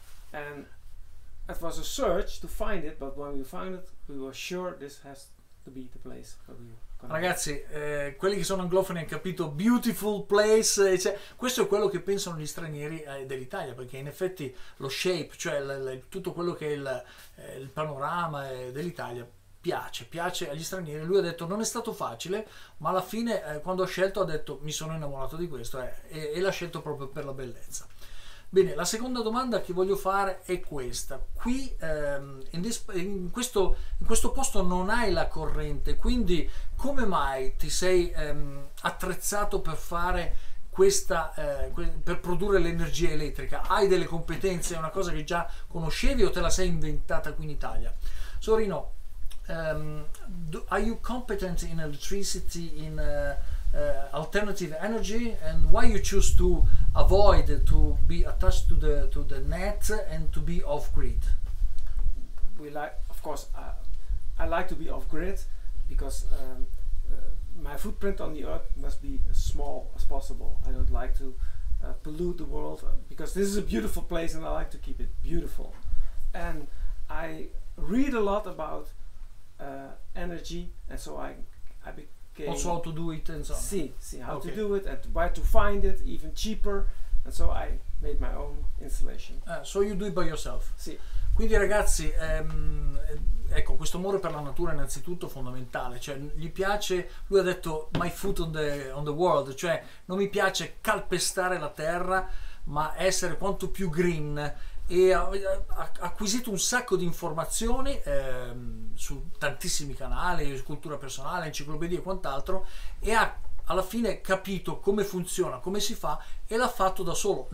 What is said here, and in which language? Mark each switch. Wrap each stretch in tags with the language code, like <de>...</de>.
<en>And it was a search to find it, but when we found it, we were sure this has to be the place for you.</en> <it>Ragazzi, quelli che sono anglofoni hanno capito</it> <en>beautiful place,</en> <it>cioè, questo è quello che pensano gli stranieri dell'Italia, perché in effetti lo shape, cioè tutto quello che è il panorama dell'Italia piace agli stranieri. Lui ha detto non è stato facile, ma alla fine quando ha scelto ha detto mi sono innamorato di questo e l'ha scelto proprio per la bellezza. Bene, la seconda domanda che voglio fare è questa: qui in questo posto non hai la corrente, quindi come mai ti sei attrezzato per fare questa per produrre l'energia elettrica? Hai delle competenze? È una cosa che già conoscevi o te la sei inventata qui in Italia?</it> <en>Sorino, are you competent in electricity, in alternative energy, and why you choose to avoid to be attached to the net and to be off grid? We like, of course, I like to be off grid because my footprint on the earth must be as small as possible. I don't like to pollute the world because this is a beautiful place and I like to keep it beautiful. And I read a lot about energy, and so I became. Also how to do it and so on. See how okay. to do it and where to find it even cheaper, and so I made my own installation. So you do it by yourself.</en> <it>Sì. Quindi ragazzi, ecco, questo amore per la natura è innanzitutto fondamentale, cioè gli piace, lui ha detto</it> <en>my foot on the world,</en> <it>cioè non mi piace calpestare la terra, ma essere quanto più green. E ha acquisito un sacco di informazioni su tantissimi canali, cultura personale, enciclopedie e quant'altro, e ha alla fine capito come funziona, come si fa, e l'ha fatto da solo.</it>